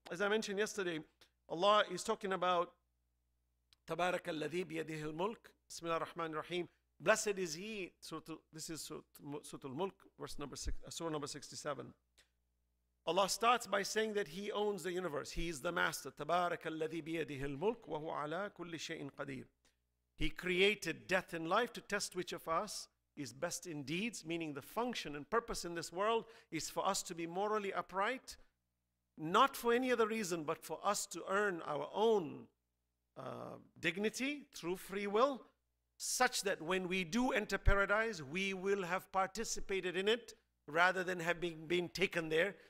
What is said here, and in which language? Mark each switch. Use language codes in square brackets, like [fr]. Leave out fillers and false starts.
[en] As I mentioned yesterday, Allah is talking about [ar] تبارك الذي بيده الملك بسم الله الرحمن الرحيم [en] Blessed is he, this is Suratul Mulk, Surah number 67. Allah starts by saying that he owns the universe. He is the master. [ar] تبارك الذي بيده الملك وهو على كل شيء قدير. [en] He created death and life to test which of us is best in deeds, meaning the function and purpose in this world is for us to be morally upright, not for any other reason, but for us to earn our own dignity through free will, such that when we do enter paradise, we will have participated in it rather than having been taken there.